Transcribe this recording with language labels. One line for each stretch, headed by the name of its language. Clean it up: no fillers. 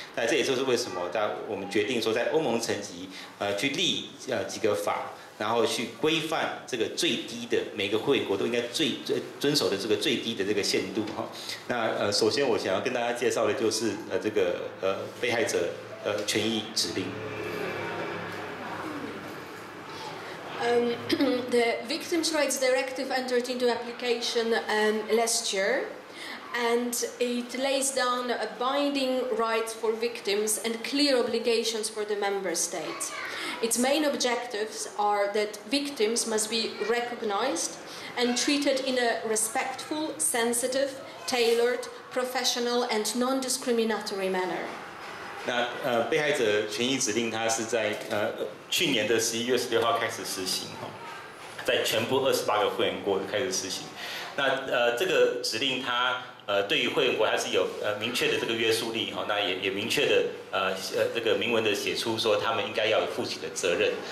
Chinese: 那这也就是为什么我们决定说在欧盟层级去立几个法。然后去规范这个最低的每个会员国都应该最遵守的这个最低的这个限度哈。那首先我想要跟大家介绍的就是这个被害者权益指令。
English: The Victims' Rights Directive entered into application last year, and it lays down a binding rights for victims and clear obligations for the member states. Its main objectives are that victims must be recognized and treated in a respectful, sensitive, tailored, professional, and non-discriminatory manner.
Chinese: 那被害者权益指令它是在去年的11月16号开始施行，在全部28个会员国开始施行。那这个指令它对于会员国还是有明确的这个约束力，那也明确的这个明文的写出说他们应该要负起的责任。